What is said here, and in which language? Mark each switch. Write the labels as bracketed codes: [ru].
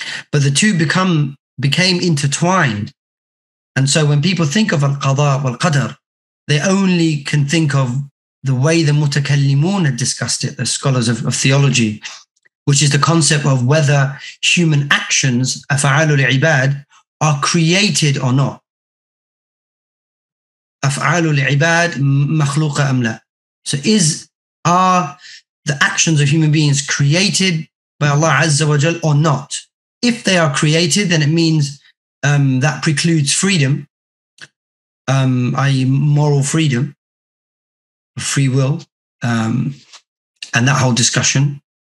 [en] But the two became intertwined. And so when people think of al-qada wal-qadr, they only can think of the way the mutakallimun had discussed it, the scholars of theology, which is the concept of whether human actions, afa'alul ibad, are created or not. [ar] أَفْعَالُ ibad مَخْلُوقَ أَمْ لَا. [en] So are the actions of human beings created by Allah Azza wa Jal or not? If they are created, then it means that precludes freedom, i.e. moral freedom, free will, and that whole discussion.